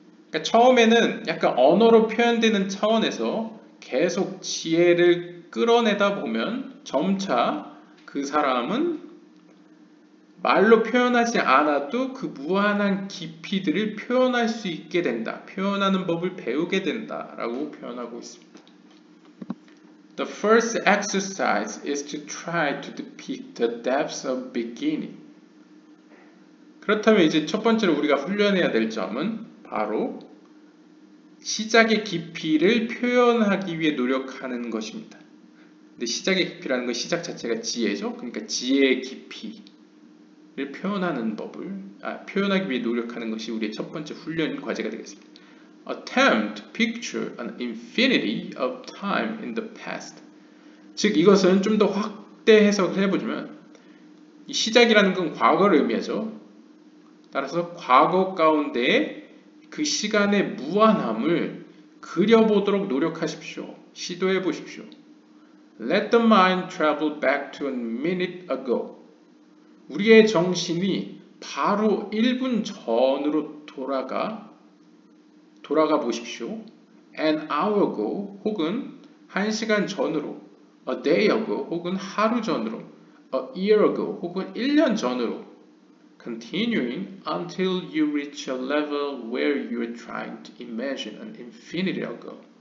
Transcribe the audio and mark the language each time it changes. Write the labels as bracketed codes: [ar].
[ko] 그러니까 처음에는 약간 언어로 표현되는 차원에서 계속 지혜를 끌어내다 보면 점차 그 사람은 말로 표현하지 않아도 그 무한한 깊이들을 표현할 수 있게 된다. 표현하는 법을 배우게 된다라고 표현하고 있습니다. [en] The first exercise is to try to depict the depths of beginning. [ko] 그렇다면 이제 첫 번째로 우리가 훈련해야 될 점은 바로 시작의 깊이를 표현하기 위해 노력하는 것입니다. 근데 시작의 깊이라는 건 시작 자체가 지혜죠. 그러니까 지혜의 깊이를 표현하는 법을 표현하기 위해 노력하는 것이 우리의 첫 번째 훈련 과제가 되겠습니다. [en] Attempt to picture an infinity of time in the past. [ko] 즉, 이것은 좀더 확대 해석을 해보자면, 이 시작이라는 건 과거를 의미하죠. 따라서 과거 가운데 그 시간의 무한함을 그려보도록 노력하십시오. 시도해 보십시오. [en] Let the mind travel back to a minute ago. [ko] 우리의 정신이 바로 1분 전으로 돌아가 보십시오. [en] An hour ago [ko] 혹은 1시간 전으로, [en] a day ago [ko] 혹은 하루 전으로, [en] a year ago [ko] 혹은 1년 전으로, [en] continuing until you reach a level where you're trying to imagine an infinity ago.